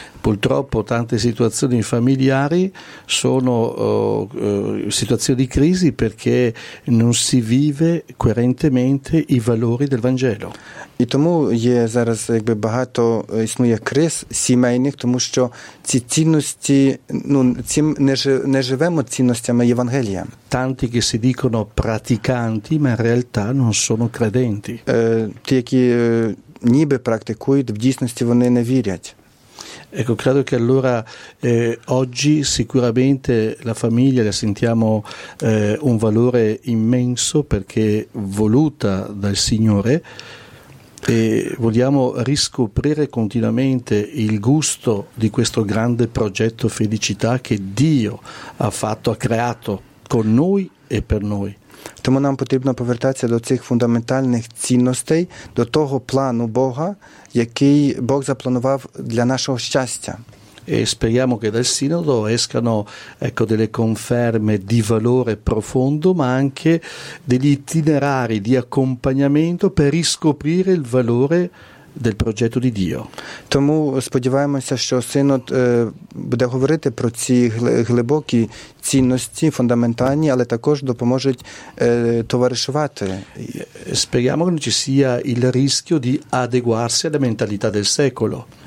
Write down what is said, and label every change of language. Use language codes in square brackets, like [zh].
[it] Purtroppo tante situazioni familiari sono situazioni di crisi perché non si vive coerentemente i valori del Vangelo. [uk] І тому є зараз якби багато існує криз сімейних, тому що ці цінності, ну, цим не живемо цінностями Євангелія. [it] Tanti che si dicono praticanti, ma in realtà non sono credenti. [uk] Ті, які ніби практикують, в дійсності вони не вірять. [it] Ecco, credo che allora oggi sicuramente la famiglia la sentiamo un valore immenso perché voluta dal Signore e vogliamo riscoprire continuamente il gusto di questo grande progetto felicità che Dio ha fatto, ha creato. con noi e per noi. [uk] Тому нам потрібно повертатися до цих фундаментальних цінностей, до того плану Бога, який Бог запланував для нашого щастя. [it] E speriamo che dal sinodo escano, ecco, delle conferme di valore profondo, ma anche degli itinerari di accompagnamento per riscoprire il valore del progetto di Dio. [uk] Тому сподіваємося, що синод буде говорити про ці глибокі цінності фундаментальні, але також допоможуть товаришувати. [it] Speriamo che non ci sia il rischio di adeguarsi alla mentalità del secolo.